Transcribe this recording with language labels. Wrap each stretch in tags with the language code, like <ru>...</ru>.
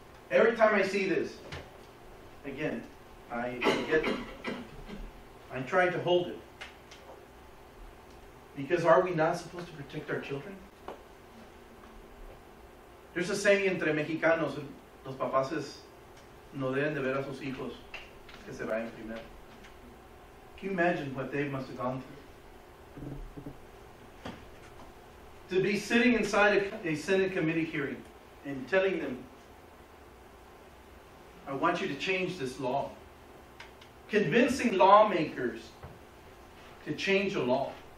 <en>Every time I see this, again, I'm trying to hold it. Because are we not supposed to protect our children? There's a saying</en> <es>entre Mexicanos, los papás no deben de ver a sus hijos que se vayan primero.</es> <en>Can you imagine what they must have gone through? To be sitting inside a Senate committee hearing and telling them, I want you to change this law. Convincing lawmakers, to change a law.</en>